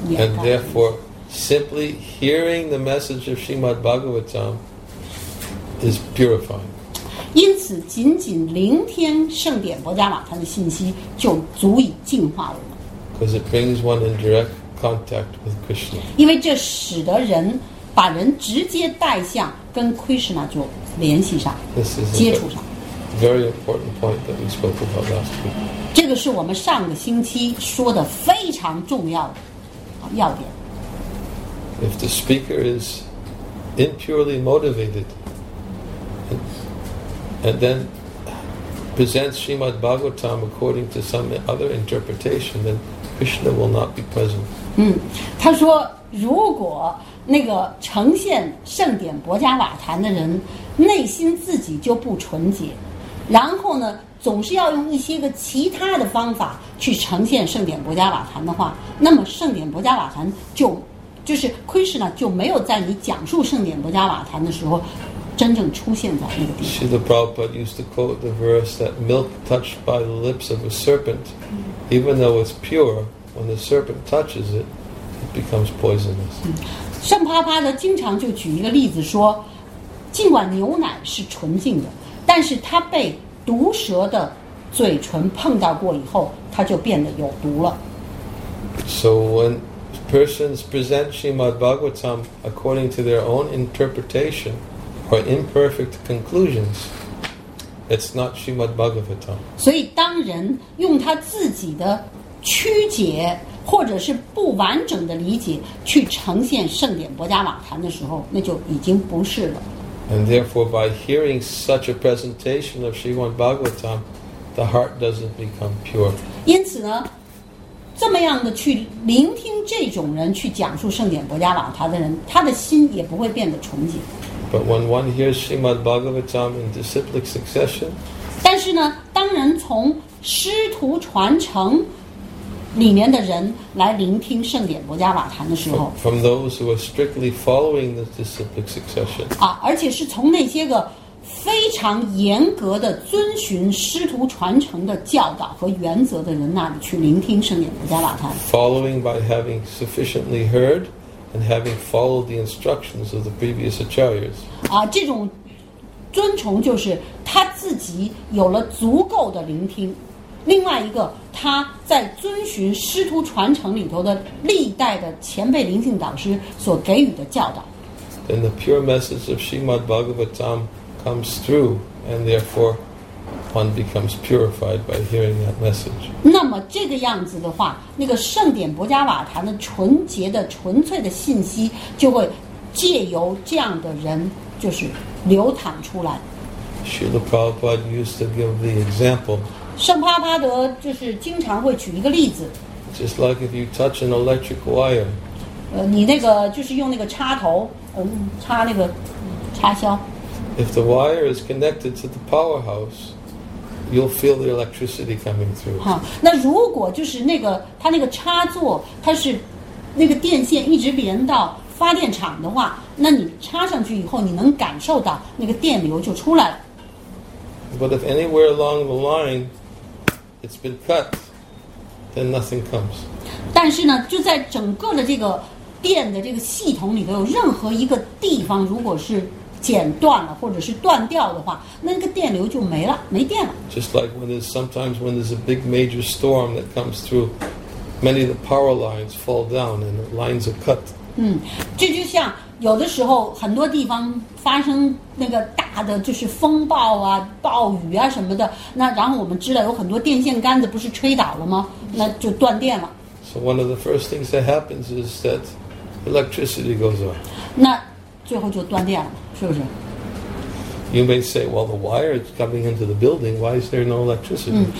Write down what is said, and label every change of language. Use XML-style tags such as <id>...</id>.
<en>And therefore simply hearing the message of Srimad Bhagavatam is purifying.</en> <zh>因此仅仅聆听圣典卢加瓦坛的信息就足以净化我们。</zh> <en>Because it brings one in direct contact with Krishna.</en> <zh>因为这使得人把人直接带向跟 Krishna 就联系上，接触上。</zh> <en>Very important point that we spoke about last week.</en> <zh>这个是我们上个星期说的非常重要的要点。</zh> <en>If the speaker is impurely motivated,And then presents Srimad Bhagavatam according to some other interpretation, then Krishna will not be present.</en> <zh>他说如果那个呈现圣典卢加瓦坛的人内心自己就不纯洁，然后呢总是要用一些个其他的方法去呈现圣典卢加瓦坛的话，那么圣典卢加瓦坛就是 Krishna 就没有在你讲述圣典卢加瓦坛的时候真正出现在那个地方。</zh> <en>Srila Prabhupada used to quote the verse that milk touched by the lips of a serpent, even though it's pure, when the serpent touches it, it becomes poisonous.</en> <zh>圣帕帕的经常就举一个例子说，尽管牛奶是纯净的，但是它被毒蛇的嘴唇碰到过以后，它就变得有毒了。</zh> <en>So when persons present Srimad Bhagavatam according to their own interpretation,Or imperfect conclusions, it's not Srimad Bhagavatam.</en> <zh>所以当人用他自己的曲解或者是不完整的理解去呈现圣典伯加瓦坛的时候，那就已经不是了。</zh> <en>And therefore, by hearing such a presentation of Srimad Bhagavatam, the heart doesn't become pure.</en> <zh>因此呢，这么样的去聆听这种人去讲述圣典伯加瓦坛的人，他的心也不会变得纯净。</zh> <en>But when one hears Srimad Bhagavatam in disciplic succession,</en> <zh>但是呢，当人从师徒传承里面的人来聆听圣典伯加瓦坛的时候</zh> <en>from those who are strictly following the disciplic succession</en> <zh>啊，而且是从那些个非常严格的遵循师徒传承的教导和原则的人那里去聆听圣典伯加瓦坛</zh> <en>following by having sufficiently heard and having followed the instructions of the previous acharyas</en> <zh>啊，这种尊崇就是他自己有了足够的聆听另外一个他在遵循师徒传承里头的历代的前辈灵性导师所给予的教导</zh> <en>then the pure message of Srimad Bhagavatam comes through and therefore one becomes purified by hearing that message</en> <zh>那么这个样子的话那个圣典伯加瓦坛的纯洁的纯粹的信息就会借由这样的人就是流淌出来</zh> <en>Srila Prabhupada used to give the example</en> <zh>圣帕帕德就是经常会举一个例子</zh> <en>Just like if you touch an electric wire</en> <zh>你那个就是用那个插头插那个插销</zh> <en>If the wire is connected to the powerhouse You'll feel the electricity coming through</en> <zh>那如果就是那个它那个插座它是那个电线一直连到发电厂的话那你插上去以后你能感受到那个电流就出来了</zh> <en>But if anywhere along the lineIt's been cut, then nothing comes.</en> <zh>但是呢，就在整个的这个电的这个系统里头，有任何一个地方如果是剪断了或者是断掉的话，那个电流就没了，没电了。</zh> <en>Just like when there's sometimes when there's a big major storm that comes through, many of the power lines fall down and the lines are cut.</en> <zh>这就像有的时候很多地方发生那个大的就是风暴啊暴雨啊什么的那然后我们知道有很多电线杆子不是吹倒了吗那就断电了</zh> <en>So one of the first things that happens is that electricity goes on</en> <zh>那最后就断电了是不是</zh> <en>You may say well the wire is coming into the building why is there no electricity</en>